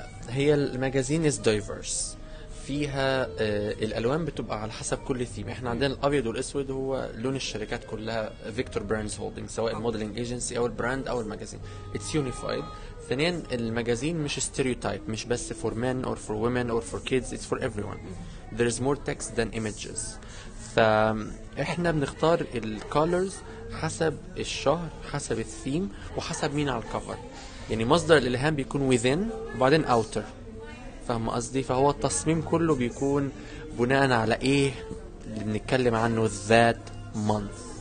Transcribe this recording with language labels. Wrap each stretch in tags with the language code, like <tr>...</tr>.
<ar>هي الماجازين</ar> <en>is diverse,</en> <ar>فيها الالوان بتبقى على حسب كل ثيم. احنا عندنا الابيض والاسود هو لون الشركات كلها، فيكتور براندز هولدنج، سواء الموديلنج ايجنسي او البراند او الماجازين،</ar> <en>It's unified.</en> <ar>ثانيا المجازين مش</ar> <en>stereotype,</en> <ar>مش بس</ar> <en>for men or for women or for kids, it's for everyone. There is more text than images.</en> <ar>فإحنا بنختار الcolors حسب الشهر, حسب الثيم, وحسب مين على الكفر. يعني مصدر الإلهام بيكون within وبعدين outer, فهم قصدي؟ فهو التصميم كله بيكون بناء على إيه اللي بنتكلم عنه</ar> <en>that month.</en>